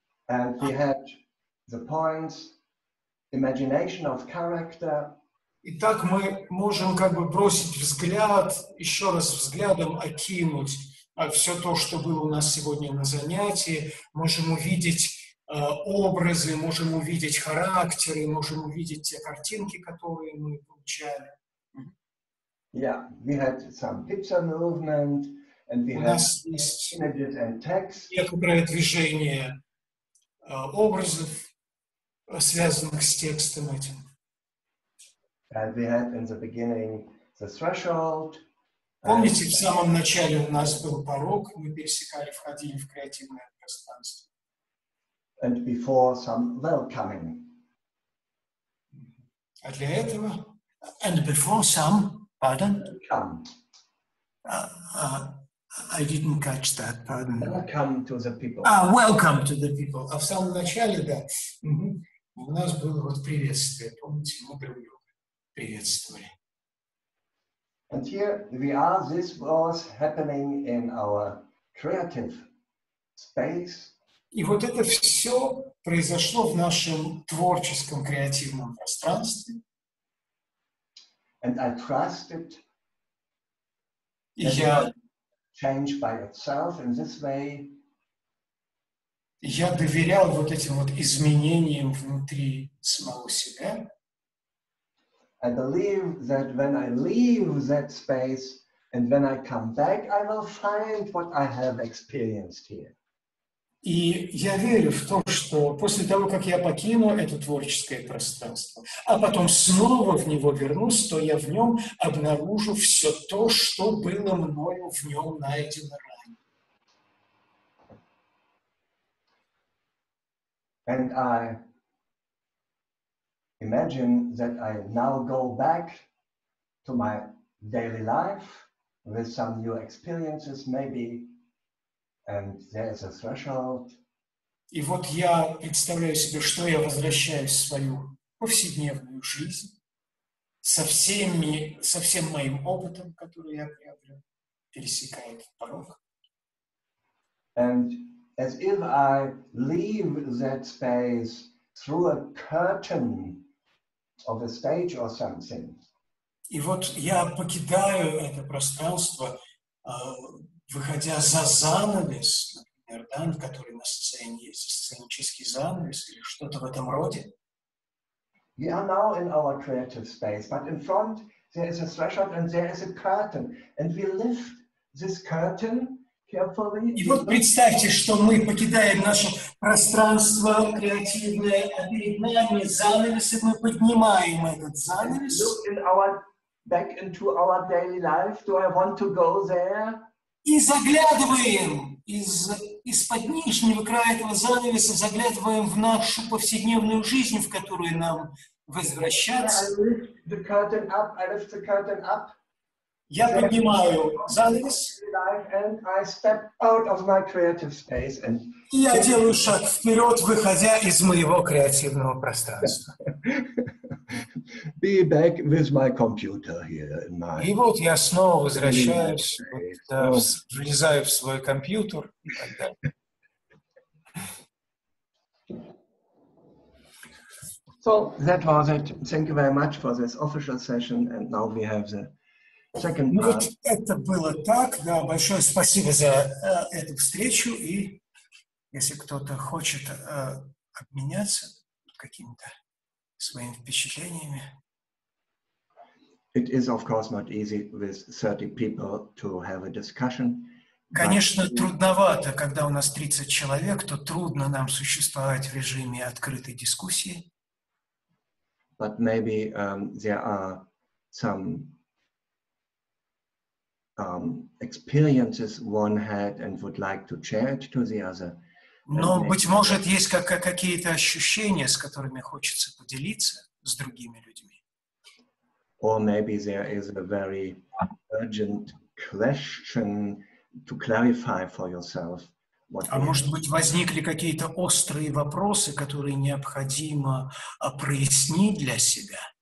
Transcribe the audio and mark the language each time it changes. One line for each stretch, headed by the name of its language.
English: And we had the points, imagination of character.
Russian: Итак, мы можем как бы бросить взгляд, еще раз взглядом окинуть все то, что было у нас сегодня на занятии. Можем увидеть образы, можем увидеть характеры, можем увидеть те картинки, которые мы получали.
English: Yeah, we had some picture movement, and we had images and text.
Russian: Некоторое движение образов, связанных с текстом этим.
English: And we had in the beginning the threshold.
Russian: Помните, в самом начале у нас был порог, мы пересекали, входили в креативное пространство.
English: And before some welcoming.
Russian: А для этого?
English: And before some, pardon? Welcome. I didn't catch that, pardon. Welcome to the people. Ah, welcome to the people.
Russian: А в самом начале, да. У нас было вот приветствие, помните, мы друг приветствовали.
English: And here we are, this was happening in our creative space.
Russian: И вот это все произошло в нашем творческом креативном пространстве.
English: And I trusted.
Russian: И я...
English: Change by itself in this way.
Russian: Я доверял вот этим вот изменениям внутри самого себя.
English: I believe that when I leave that space and when I come back, I will find what I have experienced here.
Russian: И я верю в то, что после того, как я покину это творческое пространство, а потом снова в него вернусь, то я в нем обнаружу все то, что было мною в нем найдено ранее.
English: And I imagine that I now go back to my daily life with some new experiences, maybe And there is a threshold.
Russian: И вот я представляю себе, что я возвращаюсь в свою повседневную жизнь со всеми, со всем моим опытом, который я приобрел, пересекает порог.
English: And as if I leave that space through a curtain of a stage or something.
Russian: И вот я покидаю это пространство, выходя за занавес, например, да, который на сцене есть, сценический занавес или что-то в этом роде.
English: We are now in our creative space, but in front there is a threshold and there is a curtain, and we lift this curtain.
Russian: И вот представьте, что мы покидаем наше пространство креативное, а перед нами занавес, и мы поднимаем этот занавес.
English: Back into our daily life. Do I want to go there?
Russian: И заглядываем из-под нижнего края этого занавеса, заглядываем в нашу повседневную жизнь, в которую нам возвращаться.
English: I lift the curtain up.
Russian: Я поднимаю занавес,
English: and I step out of my creative space, and
Russian: я делаю шаг вперед, выходя из моего креативного пространства.
English: Be back with my computer here in my.
Russian: И вот я снова возвращаюсь, вот, влезаю в свой компьютер и так далее.
English: So that was it. Thank you very much for this official session, and now we have the.
Russian: Ну вот это было так, да, большое спасибо за эту встречу, и если кто-то хочет обменяться какими-то своими впечатлениями.
English: It is, of course, not easy with 30 people to have a discussion.
Russian: Конечно, трудновато, когда у нас 30 человек, то трудно нам существовать в режиме открытой дискуссии.
English: But maybe there are some experiences one had and would like to share it to the other.
Russian: Но, быть может, есть какие-то ощущения, с которыми хочется поделиться с другими людьми.
English: Or maybe there is a very urgent question to clarify for yourself.
Russian: А может быть, возникли какие-то острые вопросы, которые необходимо прояснить для себя?